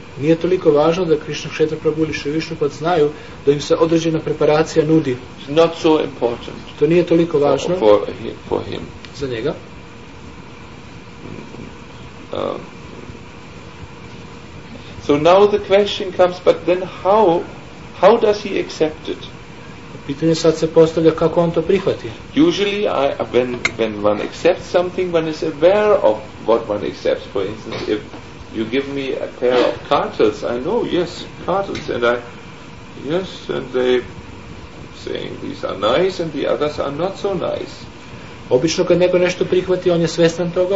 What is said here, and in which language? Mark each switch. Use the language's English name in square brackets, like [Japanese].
[Serbian] Nije toliko važno da Krishna Chaitra Prabhu ili Sri Vishnupad znaju da im se određena preparacija nudi. [English] It's not so important. [Serbian] To nije toliko važno [English] for him. [Serbian] Za njega. [English] So now the question comes, but then how does he accept it? [Serbian] Pitanje sad se postavlja, kako on to prihvati? [English] Usually when one accepts something, one is aware of what one accepts. For instance, if you give me a pair of cartels, I know, yes, cartels, and I, yes, and they saying these are nice and the others are not so nice. [Serbian] Obično kad neko nešto prihvati, on je svestan toga.